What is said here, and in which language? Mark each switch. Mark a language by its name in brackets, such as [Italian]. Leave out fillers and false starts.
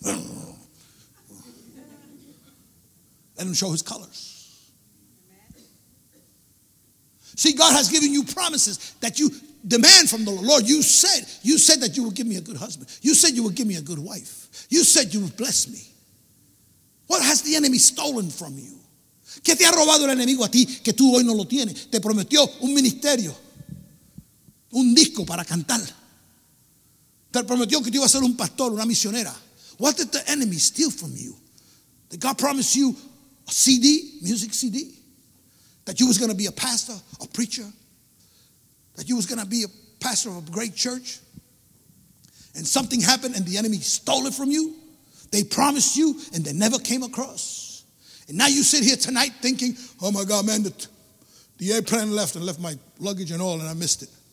[English] Let him show his colors. See, God has given you promises that you demand from the Lord. Lord, you said that you would give me a good husband. You said you would give me a good wife. You said you would bless me. What has the enemy stolen from you? [Spanish] ¿Qué te ha robado el enemigo a ti que tú hoy no lo tienes? Te prometió un ministerio, un disco para cantar. Te prometió que te iba a ser un pastor, una misionera. [English] What did the enemy steal from you? Did God promise you a CD, music CD? That you was going to be a pastor, a preacher? That you was going to be a pastor of a great church? And something happened and the enemy stole it from you? They promised you and they never came across? And now you sit here tonight thinking, oh my God, man, the airplane left and left my luggage and all and I missed it.